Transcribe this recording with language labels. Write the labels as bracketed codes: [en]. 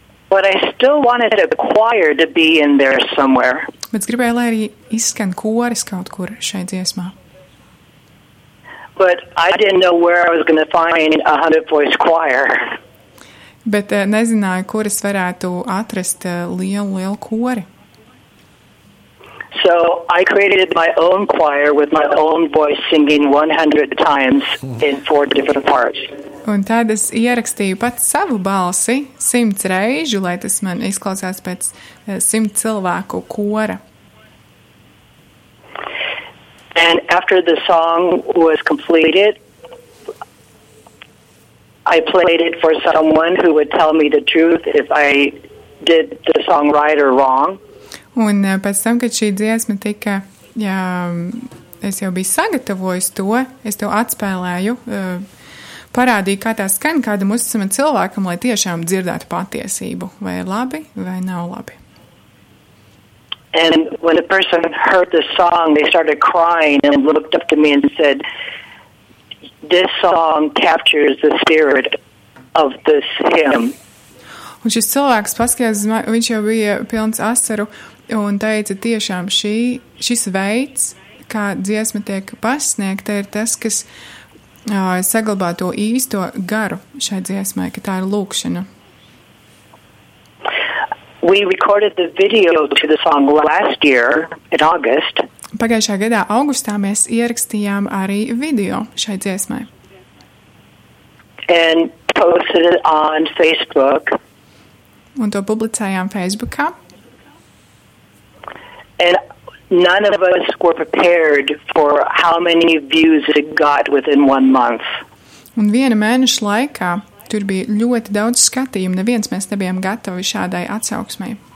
[en] But I still wanted a choir to be in there somewhere. [lv] Bet es gribēju, lai arī izskan koris kaut kur šai dziesmā. [en] But I didn't know where I was going to find a 100-voice choir. [lv] Bet nezināju, kur es varētu atrast lielu kori. [en] So I created my own choir with my own voice singing 100 times in 4 different parts. [lv] Un tad es ierakstīju pat savu balsi 100 reižu, lai tas man izklausās pēc 100 cilvēku kora. [en] And after the song was completed, I played it for someone who would tell me the truth if I did the song right or wrong. [lv] Un pēc tam, kad šī dziesma tika, jā, es jau biju sagatavojis to, es tev atspēlēju, parādīju, kā tā skan kādam uzticamam cilvēkam, lai tiešām dzirdētu patiesību, vai ir labi, vai nav labi. [en] And when a person heard the song, they started crying and looked up to me and said, this song captures the spirit of this hymn. [lv] Un šis cilvēks paskatās, viņš jau bija pilns asaru, un teica, tiešām šis veids, kā dziesma tiek pasniegta, ir tas, kas saglabā to īsto garu šai dziesmai, ka tā ir lūkšana. [en] We recorded the video to the song last year in August. [lv] Pagājušā gadā augustā mēs ierakstījām arī video šai dziesmai. [en] And posted it on Facebook. [lv] Un to publicējām Facebookā. [en] And none of us were prepared for how many views it got within one month. [lv] Un viena mēneša laikā tur bija ļoti daudz skatījumu, neviens mēs nebijām gatavi šādai atsauksmai.